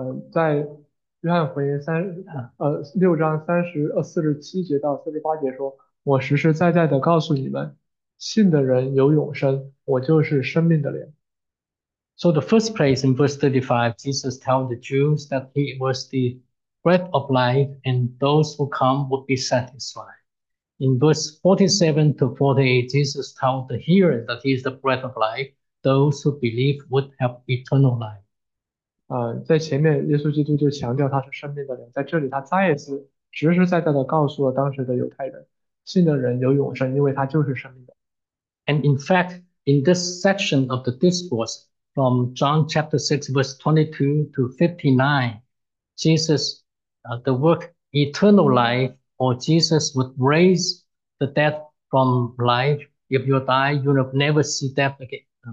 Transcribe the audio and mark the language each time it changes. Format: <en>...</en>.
<zh>在约翰福音6:30-47到48节说，我实实在在的告诉你们，信的人有永生，我就是生命的粮。</zh> <en>So the first place in verse 35, Jesus told the Jews that he was the bread of life and those who come would be satisfied. In verse 47 to 48, Jesus told the hearers that he is the bread of life, those who believe would have eternal life.</en> <zh>在前面耶稣基督就强调他是生命的粮，在这里他再一次实实在在地告诉了当时的犹太人，信的人有永生，因为他就是生命的。</zh> <en>And in fact, in this section of the discourse, from John chapter 6, verse 22 to 59, Jesus, the word eternal life, or Jesus would raise the dead from life. If you die, you will never see death again.</en>